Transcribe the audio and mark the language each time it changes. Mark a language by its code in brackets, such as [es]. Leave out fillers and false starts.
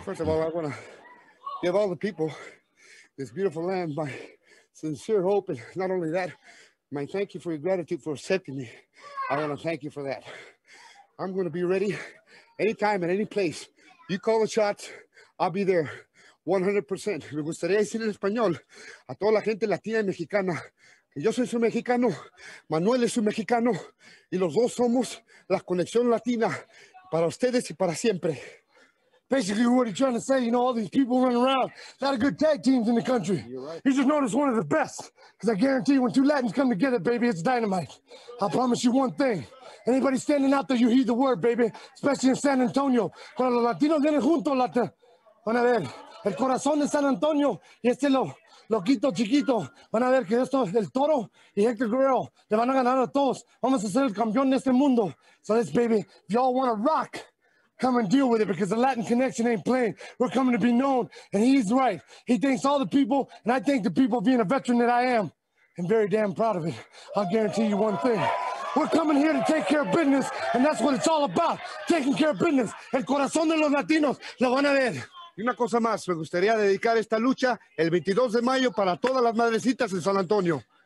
[en] First of all, I want to give all the people this beautiful land my sincere hope. And not only that, my thank you for your gratitude for accepting me. I want to thank you for that. I'm going to be ready anytime and any place. You call the shots, I'll be there. 100%. [es] Me gustaría decir en español a toda la gente latina y mexicana que yo soy su mexicano, Manuel es su mexicano, y los dos somos la conexión latina para ustedes y para siempre. [en] Basically, what he's trying to say, you know, all these people running around, a lot of good tag teams in the country. Right. He's just known as one of the best. Because I guarantee you, when two Latins come together, baby, it's dynamite. I promise you one thing. Anybody standing out there, you heed the word, baby. Especially in San Antonio. [es] Cuando los latinos vienen juntos, van a ver. El corazón de San Antonio y este lo Loquito Chiquito. Van a ver que esto es el Toro y Hector Guerrero. Le van a ganar a todos. Vamos a ser el campeón de este mundo. [en] So this baby, if y'all want to rock, come and deal with it, because the Latin connection ain't playing. We're coming to be known, and he's right. He thanks all the people, and I thank the people being a veteran that I am, and very damn proud of it. I'll guarantee you one thing. We're coming here to take care of business, and that's what it's all about, taking care of business. [es] El corazón de los latinos, lo van a ver. Y una cosa más, me gustaría dedicar esta lucha el 22 de mayo para todas las madrecitas en San Antonio.